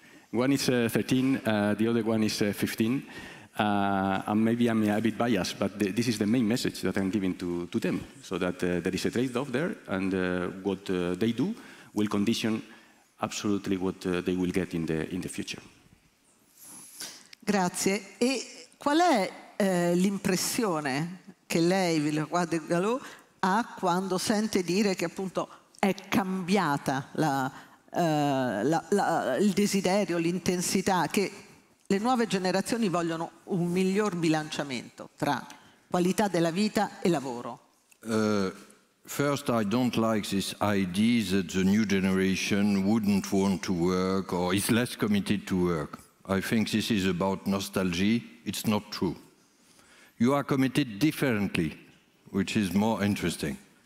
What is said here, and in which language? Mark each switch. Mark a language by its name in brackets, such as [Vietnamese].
[English] One is 13, the other one is 15. And maybe I'm a bit biased, but this is the main message that I'm giving to them, so that there is a trade-off there, and what they do will condition absolutely what they will get in the future. [Italian] Grazie. E qual è l'impressione che lei, Villeroy-de-Galo, ha quando sente dire che appunto è cambiata il desiderio, l'intensità, che le nuove generazioni vogliono un miglior bilanciamento tra qualità della vita e lavoro? [English] First, I don't like this idea that the new generation wouldn't want to work or is less committed to work. I think this is about nostalgia. It's not true. You are committed differently, which is more interesting.